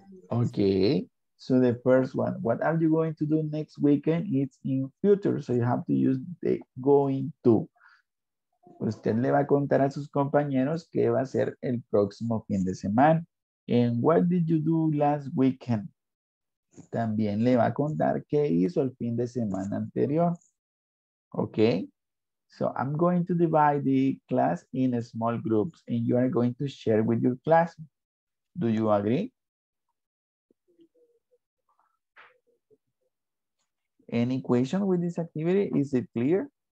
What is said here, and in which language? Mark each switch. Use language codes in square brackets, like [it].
[en] Okay, so the first one, what are you going to do next weekend? It's in future, so you have to use the going to. [es] Usted le va a contar a sus compañeros qué va a ser el próximo fin de semana. [en] And what did you do last weekend? [es] También le va a contar qué hizo el fin de semana anterior. [en] Okay. So I'm going to divide the class in small groups and you are going to share with your class. Do you agree? Any question with this activity? Is it clear?